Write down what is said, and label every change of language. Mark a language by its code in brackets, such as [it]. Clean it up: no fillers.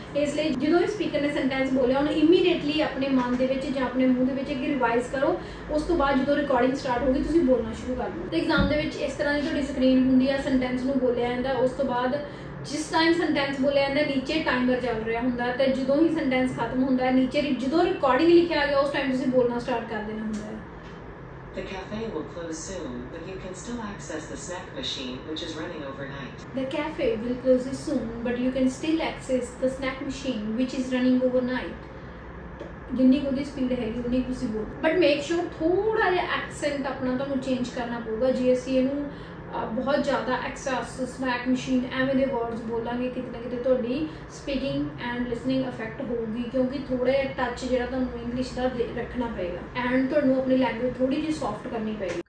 [pa] ਇਸ ਲਈ ਜਦੋਂ ਵੀ ਸਪੀਕਰ ਨੇ ਸੈਂਟੈਂਸ ਬੋਲਿਆ ਉਹਨੂੰ ਇਮੀਡੀਏਟਲੀ ਆਪਣੇ ਮਨ ਦੇ ਵਿੱਚ ਜਾਂ ਆਪਣੇ ਮੂੰਹ ਦੇ ਵਿੱਚ ਅੱਗੇ ਰਿਵਾਈਜ਼ ਕਰੋ, ਉਸ ਤੋਂ ਬਾਅਦ ਜਦੋਂ ਰਿਕਾਰਡਿੰਗ ਸਟਾਰਟ ਹੋਊਗੀ ਤੁਸੀਂ ਬੋਲਣਾ ਸ਼ੁਰੂ ਕਰ ਦਿਓ। ਐਗਜ਼ਾਮ ਦੇ ਵਿੱਚ ਇਸ ਤਰ੍ਹਾਂ ਦੀ ਤੁਹਾਡੀ ਸਕਰੀਨ ਹੁੰਦੀ ਆ ਸੈਂਟੈਂਸ ਨੂੰ ਬੋਲਿਆ ਜਾਂਦਾ, ਉਸ ਤੋਂ ਬਾਅਦ ਜਿਸ ਟਾਈਮ ਸੈਂਟੈਂਸ ਬੋਲਿਆ ਜਾਂਦਾ ਨੀਚੇ ਟਾਈਮਰ ਚੱਲ ਰਿਹਾ ਹੁੰਦਾ, ਤਾਂ ਜਦੋਂ ਹੀ ਸੈਂਟੈਂਸ ਖਤਮ ਹੁੰਦਾ ਨੀਚੇ ਜਦੋਂ ਰਿਕਾਰਡਿੰਗ ਲਿਖਿਆ ਗਿਆ ਉਸ ਟਾਈਮ ਤੁਸੀਂ ਬੋਲਣਾ ਸਟਾਰਟ ਕਰ ਦੇਣਾ ਹੁੰਦਾ। [en] The cafe will close soon, but you can still access the snack machine, which is running overnight. The cafe will close soon, but you can still access the snack machine, which is running overnight. [pa] ਜਿੰਨੀ ਕੁ ਉਹਦੀ speed ਹੈਗੀ ਉੰਨੀ ਤੁਸੀਂ ਬੋਲ, [en] but make sure [pa] ਥੋੜ੍ਹਾ ਜਿਹਾ accent ਆਪਣਾ ਤੁਹਾਨੂੰ ਚੇਂਜ ਕਰਨਾ ਪਊਗਾ। ਜੇ ਅਸੀਂ ਇਹਨੂੰ ਬਹੁਤ ਜ਼ਿਆਦਾ ਐਕਸੈਸ ਸਨੈਕ ਮਸ਼ੀਨ ਐਵੇਂ ਦੇ ਵਰਡਸ ਬੋਲਾਂਗੇ ਕਿਤੇ ਨਾ ਕਿਤੇ ਤੁਹਾਡੀ [en] speaking and listening effect [pa] ਹੋਊਗੀ, ਕਿਉਂਕਿ ਥੋੜ੍ਹਾ ਜਿਹਾ ਟੱਚ ਜਿਹੜਾ ਤੁਹਾਨੂੰ ਇੰਗਲਿਸ਼ ਦਾ ਰੱਖਣਾ ਪਏਗਾ ਐਂਡ ਤੁਹਾਨੂੰ ਆਪਣੀ ਲੈਂਗੁਏਜ ਥੋੜ੍ਹੀ ਜਿਹੀ ਸੌਫਟ ਕਰਨੀ ਪਏਗੀ।